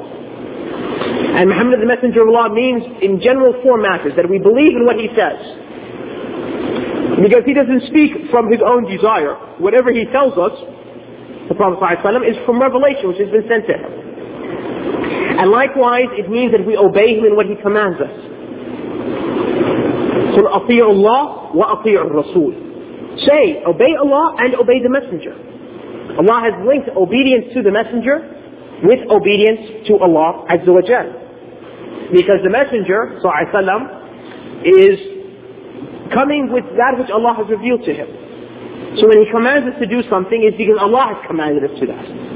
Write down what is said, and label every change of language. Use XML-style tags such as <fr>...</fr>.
<en>And Muhammad is the Messenger of Allah means, in general, four matters, that we believe in what he says. Because he doesn't speak from his own desire. Whatever he tells us, the Prophet Sallallahu Alaihi Wasallam, is from revelation which has been sent to him. And likewise, it means that we obey him in what he commands us.</en> <ar>So, أطيع الله وأطيع الرسول.</ar> <en>Say, obey Allah and obey the Messenger. Allah has linked obedience to the Messenger with obedience to Allah Azza wa Jal. Because the Messenger, صلى الله عليه وسلم, is coming with that which Allah has revealed to him. So when he commands us to do something, it's because Allah has commanded us to that.</en>